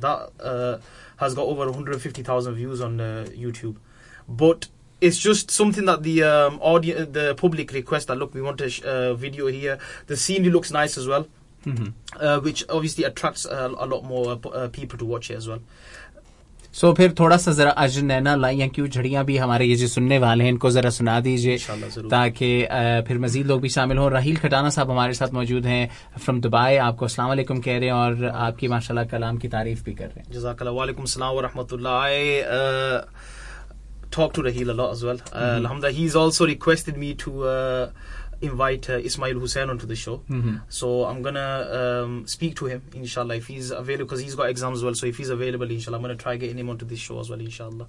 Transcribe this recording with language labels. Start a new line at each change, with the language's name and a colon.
English: That has got over 150,000 views on YouTube. But it's just something that the audience, the public request that, look, we want a video here. The scenery looks nice as well, which obviously attracts a lot more people to watch it as well.
Urdu: سو پھر تھوڑا سا ذرا اج نینا لائیاں کیوں جھڑیاں بھی ہمارے یہ جو سننے والے ہیں ان کو ذرا سنا دیجیے تاکہ پھر مزید لوگ بھی شامل ہوں. راحیل کھٹانا صاحب ہمارے ساتھ موجود ہیں
English: from Dubai,
Urdu: آپ کو السلام علیکم کہہ رہے ہیں اور آپ کی ماشاءاللہ کلام کی تعریف بھی کر رہے ہیں. جزاک اللہ. وعلیکم السلام و رحمۃ اللہ.
English: I talk to Raheel a lot as well. Alhamdulillah, he's also requested me to invite Ismail Hussain onto the show. Mm-hmm. So I'm going to speak to him, inshallah, if he's available, because he's got exams as well. So if he's available, inshallah, I'm going to try getting him onto this show as well, inshallah.